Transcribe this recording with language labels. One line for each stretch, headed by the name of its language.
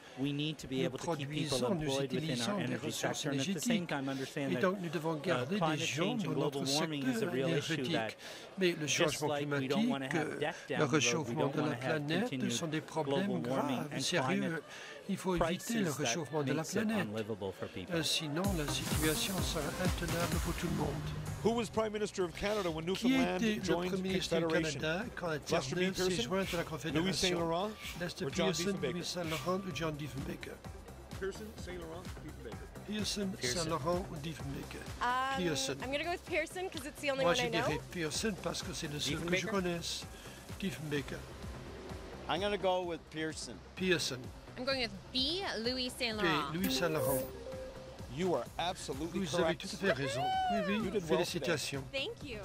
English: We need to be able to keep people employed within our energy sector. And at the same time, understand that climate change and global warming is a real issue that, just like we don't want to have debt down the road, we don't want to have continued global warming and climate.
French: Il faut éviter le réchauffement de la planète. Sinon, la situation sera intenable pour tout le monde.
English: Who was Prime Minister of Canada when Newfoundland joined the Confederation? Lester B. Pearson, Louis Saint Laurent, Lester or John Pearson, Louis Saint Laurent, or John Diefenbaker? Pearson, Saint Laurent, Diefenbaker.
French: Pearson, Saint Laurent ou Diefenbaker?
English: Pearson. I'm going to go with Pearson because it's the only
French: Moi,
English: one I know.
French: Moi, je dirais Pearson parce que c'est le seul que je connaisse.
English: Diefenbaker. I'm going to go with Pearson. Pearson. I'm going with B. Louis Saint Laurent. Okay, Louis Saint Laurent. You are absolutely
French: Vous
English: correct.
French: Avez tout à fait raison. Oui, oui.
English: You did
French: Félicitations.
English: Well Thank you.